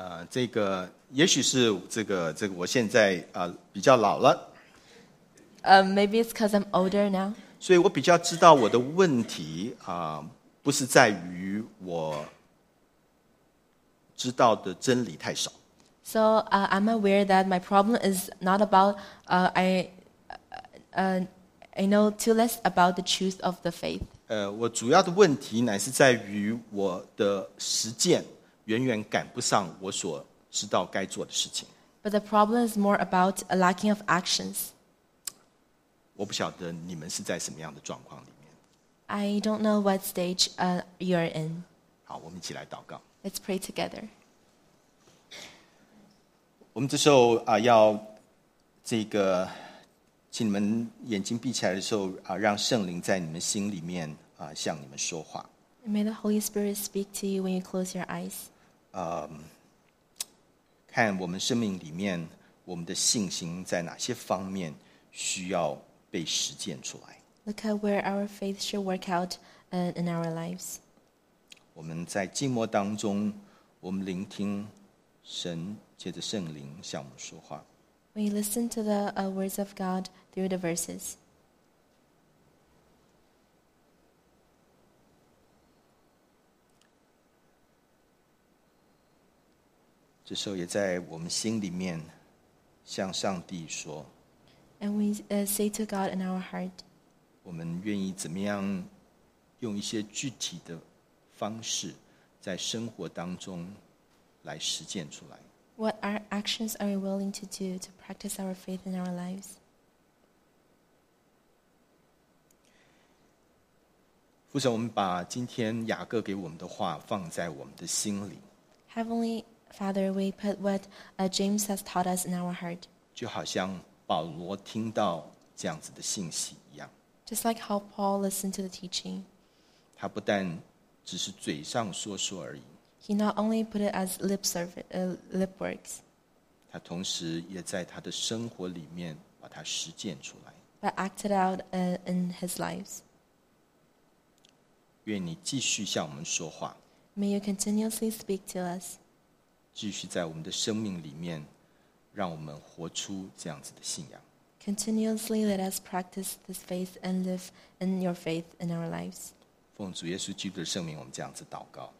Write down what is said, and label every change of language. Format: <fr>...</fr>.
<zh>这个，也许是这个，我现在比较老了。</zh> <en>Maybe it's because I'm older now.</en> <zh>所以我比较知道我的问题不是在于我知道的真理太少。</zh> <en>So I'm aware that my problem is not about I know too less about the truth of the faith.</en> <zh>我主要的问题乃是在于我的实践远远赶不上我所知道该做的事情。</zh> <en>But the problem is more about a lacking of actions.</en> <zh>我不晓得你们是在什么样的状况里面。</zh> <en>I don't know what stage you're in.</en> <zh>好，我们一起来祷告。</zh> <en>Let's pray together.</en> <zh>我们这时候要这个。请你们眼睛闭起来的时候让圣灵在你们心里面向你们说话。</zh> <en>May the Holy Spirit speak to you when you close your eyes.</en> <zh>看我们生命里面我们的信心在哪些方面需要被实践出来。</zh> <en>Look at where our faith should work out in our lives.</en> <zh>我们在静默当中我们聆听神借着圣灵向我们说话。</zh> <en>We listen to the words of God through the verses. This also in our heart, say to God, and we say to God in our heart, we are willing to use some specific ways in our life to practice. What are actions are we willing to do to practice our faith in our lives?</en> <zh>父神，我们把今天雅各给我们的话放在我们的心里。</zh> <en>Heavenly Father, we put what James has taught us in our heart.</en> <zh>就好像保罗听到这样子的信息一样。</zh> <en>Just like how Paul listened to the teaching.</en> <zh>他不但只是嘴上说说而已。</zh> <en>He not only put it as lip service, lip works.</en> <zh>他同时也在他的生活里面把它实践出来。</zh> <en>But acted out in his lives.</en> <zh>愿你继续向我们说话。</zh> <en>May you continuously speak to us.</en> <zh>继续在我们的生命里面，让我们活出这样子的信仰。</zh> <en>Continuously let us practice this faith and live in your faith in our lives.</en> <zh>奉主耶稣基督的圣名，我们这样子祷告。</zh>